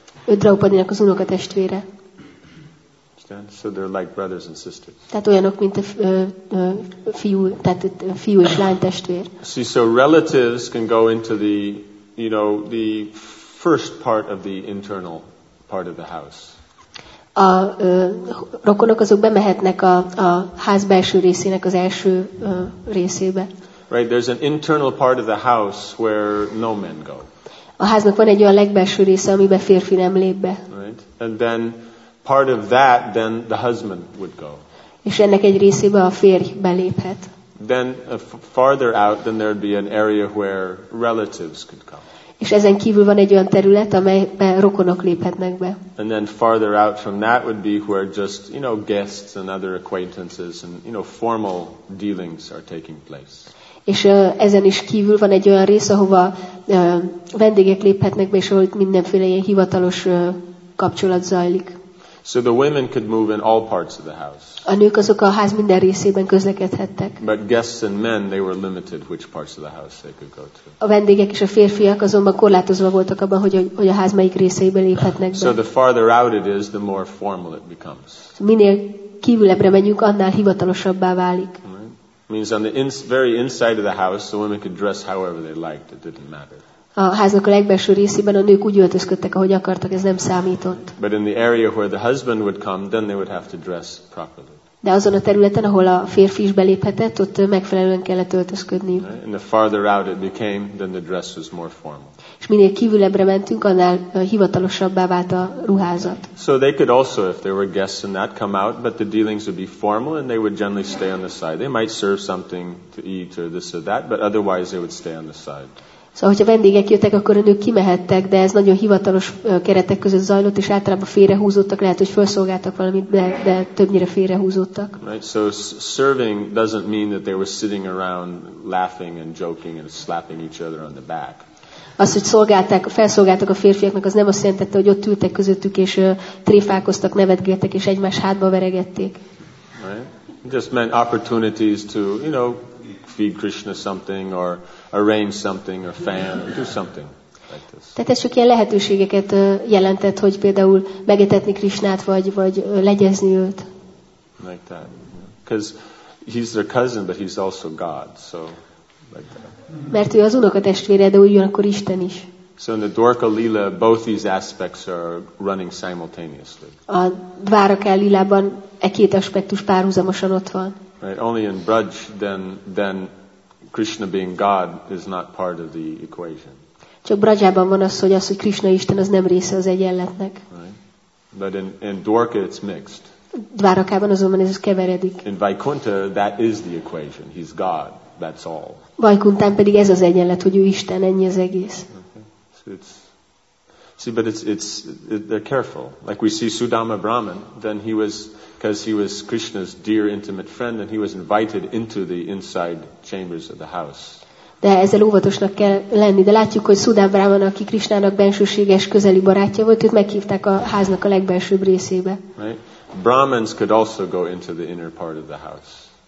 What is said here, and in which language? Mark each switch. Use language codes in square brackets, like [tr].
[hu] Ő Draupadinak az unokatestvére. [en] So they're like brothers and sisters. [hu] Tehát olyanok, mint a fiú és lány testvér. [en] See, so relatives can go into the you know, the first part of the internal part of the house. [hu] A rokonok azok bemehetnek a ház belső részének az első részébe. [en] Right, there's an internal part of the house where no men go. [hu] A háznak van egy olyan legbelső része, amiben férfi nem lép be. [en] Right, and then part of that, then the husband would go. [hu] És ennek egy részébe a férj beléphet. [en] Then farther out, then there'd be an area where relatives could come. [hu] És ezen kívül van egy olyan terület, amelyben rokonok léphetnek be. [en] And then farther out from that would be where just, you know, guests and other acquaintances and, you know, formal dealings are taking place. [hu] És ezen is kívül van egy olyan rész, ahova vendégek léphetnek be, és ahol mindenféle ilyen hivatalos kapcsolat zajlik. [en] So the women could move in all parts of the house. [hu] A nők azok a ház minden részében közlekedhettek. [en] But guests and men, they were limited which parts of the house they could go to. [hu] A vendégek és a férfiak azonban korlátozva voltak abban, hogy a ház melyik részébe léphetnek be. [en] So the farther out it is, the more formal it becomes. [hu] Minél kívülebbre megyünk, annál hivatalosabbá válik. [en] Means on the very inside of the house, the women could dress however they liked; it didn't matter. [hu] A háznak a legbelső részében a nők úgy öltözködtek, ahogy akartak, ez nem számított. [en] But in the area where the husband would come, then they would have to dress properly. [hu] De azon a területen, ahol a férfi is beléphetett, ott megfelelően kellett öltözködni. [en] And the farther out it became, then the dress was more formal. [hu] És minél kívülebbre mentünk, annál hivatalosabbá vált a ruházat. [en] So they could also, if there were guests and that, come out, but the dealings would be formal and they would generally stay on the side. They might serve something to eat or this or that, but otherwise they would stay on the side. [hu] Szóval, hogyha vendégek jöttek, akkor a nők kimehettek, de ez nagyon hivatalos keretek között zajlott, és általában félrehúzódtak, lehet, hogy felszolgáltak valamit, de többnyire félrehúzódtak. [en] Right, so serving doesn't mean that they were sitting around laughing and joking and slapping each other on the back. [hu] Azt, hogy felszolgáltak a férfiaknak, az nem azt jelentette, hogy ott ültek közöttük, és tréfálkoztak, nevetgéltek, és egymás hátba veregették. [en] Right. Just meant opportunities to, you know, feed Krishna something, or arrange something, or fan, or do something like this. [hu] Tehát ez csak ilyen lehetőségeket jelentett, hogy például megetetni Krishnát, vagy legyezni őt. [en] Like that. Because he's their cousin, but he's also God, so... [hu] Mert ő az unokatestvére, de ugyanakkor Isten is. [en] So in the Dwarka Lila, both these aspects are running simultaneously. [hu] A Dwarka Lilában e két aspektus párhuzamosan ott van. [en] Right, only in Braj, then Krishna being God is not part of the equation. [hu] Csak Brajában van az, hogy Krishna Isten az nem része az egyenletnek. [en] Right. But in Dwarka it's mixed. [hu] Dwarakában azonban ez keveredik. [en] In Vaikuntha that is the equation. He's God. That's all. [hu] Vaikuntán pedig ez az egyenlet, hogy ő Isten, ennyi az egész. [en] Okay. But they're careful. Like we see Sudama Brahman, then he was, because he was Krishna's dear intimate friend, and he was invited into the inside chambers of the house. [hu] De ezzel óvatosnak kell lenni, de látjuk, hogy Sudama Brahman, aki Krishnának bensőséges, közeli barátja volt, őt meghívták a háznak a legbelsőbb részébe. [en] Right? Brahmans could also go into the inner part of the house.